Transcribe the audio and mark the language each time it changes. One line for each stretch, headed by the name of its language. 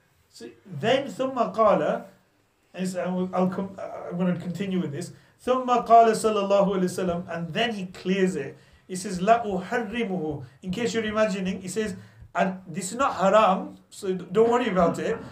English: So then
Arabic: ثُمَّ قَالَ
English: I'm going to continue with this.
Arabic: ثُمَّ قَالَ صَلَى اللَّهُ عَلَيْهِ وَسَلَّمُ
English: And then he clears it. He says,
Arabic: لَا أُحَرِّمُهُ
English: In case you're imagining, he says, and this is not haram, so don't worry about it.